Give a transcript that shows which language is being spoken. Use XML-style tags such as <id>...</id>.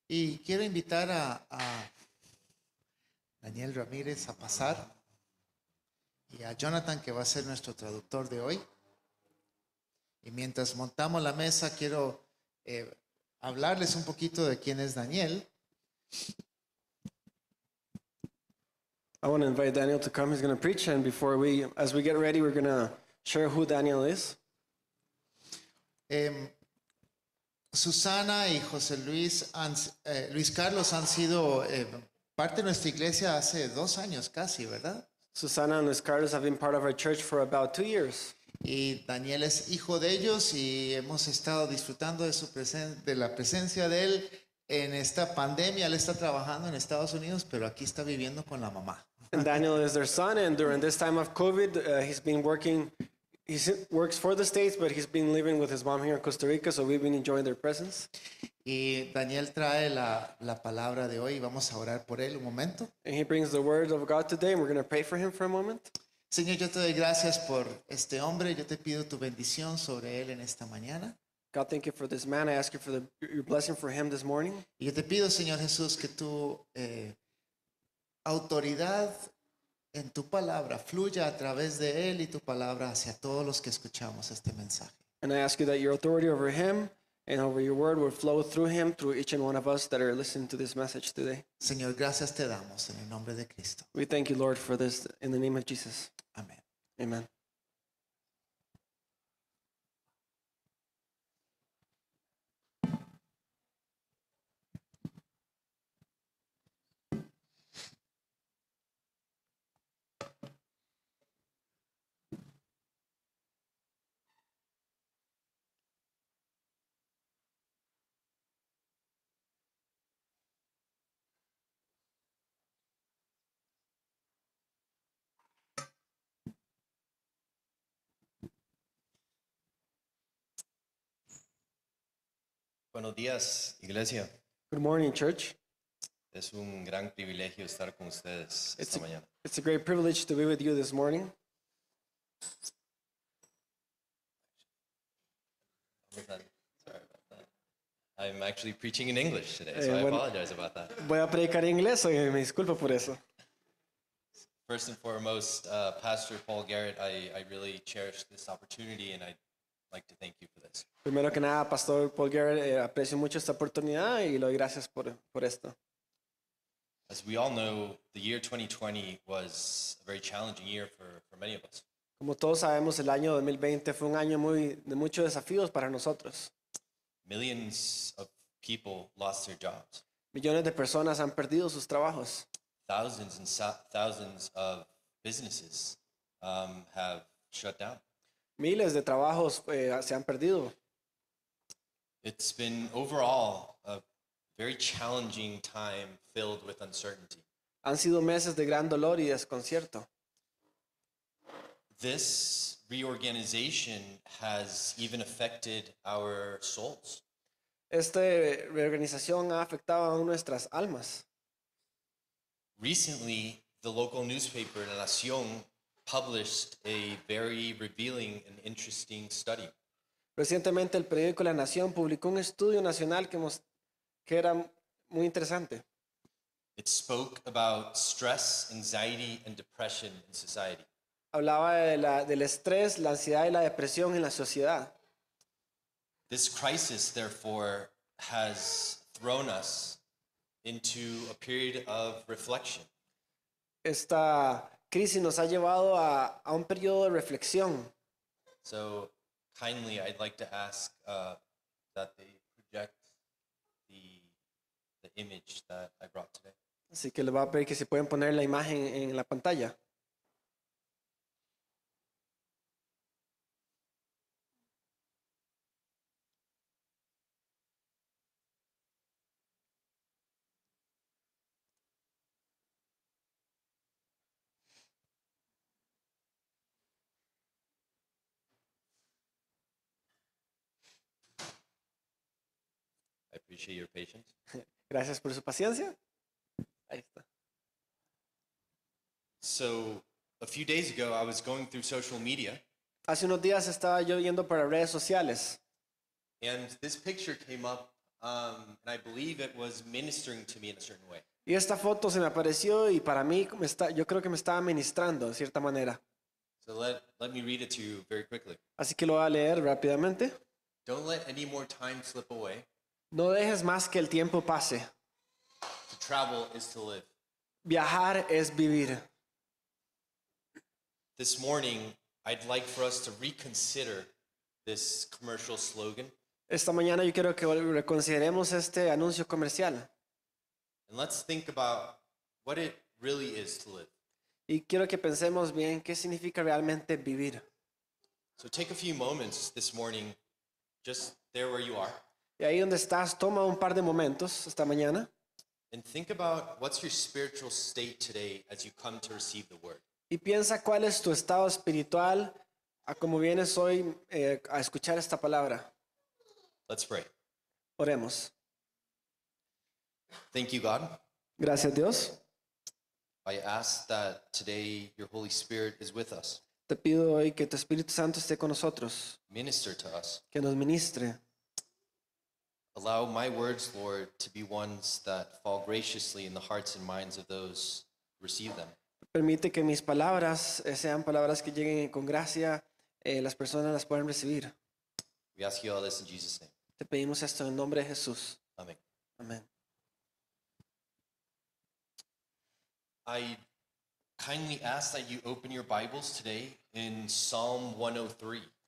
<es>Y quiero invitar a Daniel Ramírez a pasar y a Jonathan, que va a ser nuestro traductor de hoy. Y mientras montamos la mesa, quiero hablarles un poquito de quién es Daniel.</es> <en>I want to invite Daniel to come. He's going to preach, and before we, as we get ready, we're going to share who Daniel is.</en> <es>Susana y José Luis, Luis Carlos han sido parte de nuestra iglesia hace 2 años casi, ¿verdad?</es> <en>Susana and Luis Carlos have been part of our church for about 2 years.</en> <es>Y Daniel es hijo de ellos y hemos estado disfrutando de de la presencia de él en esta pandemia. Él está trabajando en Estados Unidos, pero aquí está viviendo con la mamá.</es> <en>And Daniel is their son, and during this time of COVID, he's been working. He works for the States, but he's been living with his mom here in Costa Rica, so we've been enjoying their presence.</en> <es>Y Daniel trae la palabra de hoy. Vamos a orar por él un momento.</es> <en>And he brings the word of God today, and we're going to pray for him for a moment.</en> <es>Señor, yo te doy gracias por este hombre. Yo te pido tu bendición sobre él en esta mañana.</es> <en>God, thank you for this man. I ask you for your blessing for him this morning.</en> <es>Y yo te pido, Señor Jesús, que tu autoridad en tu palabra fluya a través de él y tu palabra hacia todos los que escuchamos este mensaje.</es> <en>And I ask you that your authority over him and over your word will flow through him, through each and one of us that are listening to this message today.</en> <es>Señor, gracias te damos en el nombre de Cristo.</es> <en>We thank you, Lord, for this in the name of Jesus.</en> <es>Amén.</es> <en>Amen.</en> <es>Buenos días, iglesia.</es> <en>Good morning, church.</en> <es>Es un gran privilegio estar con ustedes</es> <en>It's</en> <es>esta mañana.</es> <en>a great privilege to be with you this morning. I'm actually preaching in English today, so I apologize about that.</en> <es>Voy a predicar en inglés, me disculpo por eso.</es> <en>First and foremost, Pastor Paul Garrett, I really cherish this opportunity and I'd like to thank you for this.</en> <es>Primero que nada, Pastor Paul Garrett, aprecio mucho esta oportunidad y le doy gracias por esto.</es> <en>As we all know, the year 2020 was a very challenging year for many of us.</en> <es>Como todos sabemos, el año 2020 fue un año de muchos desafíos para nosotros.</es> <en>Millions of people lost their jobs.</en> <es>Millones de personas han perdido sus trabajos.</es> <en>Thousands and thousands of businesses have shut down.</en> <es>Miles de trabajos se han perdido.</es> <en>It's been overall a very challenging time filled with uncertainty.</en> <es>Han sido meses de gran dolor y desconcierto.</es> <en>This reorganization has even affected our souls.</en> <es>Esta reorganización ha afectado a nuestras almas.</es> <en>Recently, the local newspaper, La Nación, published a very revealing and interesting study.</en> <es>Recientemente el periódico La Nación publicó un estudio nacional que era muy interesante.</es> <en>It spoke about stress, anxiety, and depression in society.</en> <es>Hablaba de del estrés, la ansiedad y la depresión en la sociedad.</es> <en>This crisis, therefore, has thrown us into a period of reflection.</en> <es>Esta crisis nos ha llevado a un periodo de reflexión.</es> <en>So, kindly, I'd like to ask that they project the image that I brought today.</en> <es>Así que le voy a pedir que se pueden poner la imagen en la pantalla.</es> <en>Appreciate your patience.</en> <es>Gracias por su paciencia. Ahí está.</es> <en>So, a few days ago, I was going through social media,</en> <es>Hace unos días estaba yo yendo para redes sociales.</es> <en>and this picture came up And I believe it was ministering to me in a certain way.</en> <es>Y esta foto se me apareció y para mí me está, yo creo que me estaba ministrando de cierta manera.</es> <en>So let me read it to you very quickly.</en> <es>Así que lo voy a leer rápidamente.</es> <en>Don't let any more time slip away.</en> <es>No dejes más que el tiempo pase.</es> <en>To travel is to live.</en> <es>Viajar es vivir.</es> <en>This morning, I'd like for us to reconsider this commercial slogan.</en> <es>Esta mañana yo quiero que reconsideremos este anuncio comercial.</es> <en>And let's think about what it really is to live.</en> <es>Y quiero que pensemos bien qué significa realmente vivir.</es> <en>So take a few moments this morning, just there where you are.</en> <es>Y ahí donde estás, toma un par de momentos esta mañana.</es> <en>And think about what's your spiritual state today as you come to receive the word.</en> <es>Y piensa cuál es tu estado espiritual a cómo vienes hoy a escuchar esta palabra.</es> <en>Let's pray.</en> <es>Oremos.</es> <en>Thank you, God.</en> <es>Gracias, Dios.</es> <en>I ask that today your Holy Spirit is with us.</en> <es>Te pido hoy que tu Espíritu Santo esté con nosotros.</es> <en>Minister to us.</en> <es>Que nos ministre.</es> <en>Allow my words, Lord, to be ones that fall graciously in the hearts and minds of those who receive them.</en> <es>Permite que mis palabras sean palabras que lleguen con gracia, las personas las puedan recibir.</es> <en>We ask you all this in Jesus' name.</en> <es>Te pedimos esto en nombre de Jesús. Amén. Amén.</es> <en>I kindly ask that you open your Bibles today in Psalm 103.</en>